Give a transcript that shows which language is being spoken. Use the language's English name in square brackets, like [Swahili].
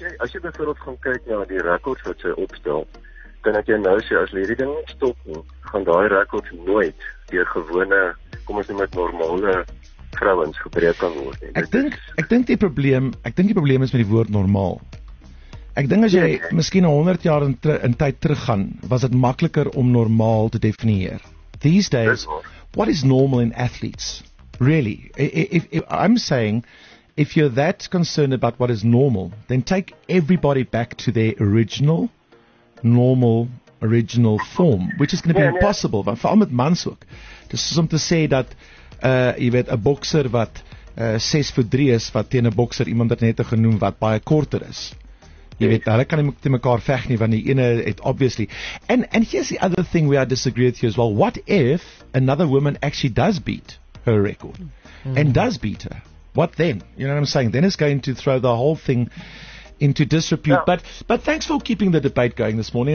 [Afrikaans] as jy byvoorbeeld gaan kyk na die records wat sy opstel, kan ek jou nou sê as hierdie ding stop nie, gaan daai records nooit deur gewone, kom ons noem dit normale vrouens gebreek kan word nie. Ek dink die probleem is met die woord normaal. Ek dink as jy miskien 100 jaar in tyd teruggaan, was dit makliker om normaal te definieer. [English] These days, what is normal in athletes? Really? If I'm saying, if you're that concerned about what is normal, then take everybody back to their original form, which is going to be impossible. [Afrikaans] Maar veral met mans ook. Dis soos om te sê dat, jy weet, 'n bokser wat 6'3" is, wat teen 'n bokser iemand het net genoem wat baie korter is. Jy weet, hulle kan nie te mekaar veg nie, want die ene het obviously. [English] And here's the other thing where I disagree with you as well. What if another woman actually does beat her record? Mm-hmm. And does beat her? What then? You know what I'm saying? Then it's going to throw the whole thing into disrepute. No. But thanks for keeping the debate going this morning.